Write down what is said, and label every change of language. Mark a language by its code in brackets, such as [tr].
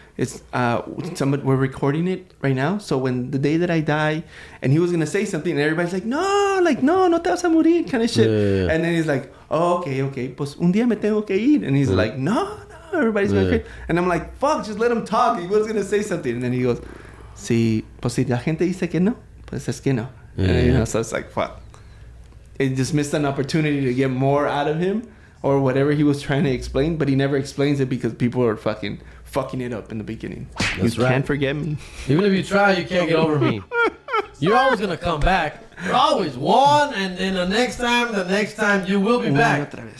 [en] It's we're recording it right now. So when the day that I die, and he was gonna say something, and everybody's like no, [es] no te vas a morir, [en] kind of shit. Yeah. And then he's like, oh, okay, [es] pues un día me tengo que ir, [en] and he's like, no. Everybody's going crazy. And I'm like, fuck, just let him talk. He was gonna say something. And then he goes, [es] si, pues si la gente dice que no, pues es que no. [en] So it's like, fuck. It just missed an opportunity to get more out of him or whatever he was trying to explain, but he never explains it because people are fucking it up in the beginning. Can't forget me. Even if you try, you can't get over me. You're always gonna come back. You're always one, and then the next time you will be back.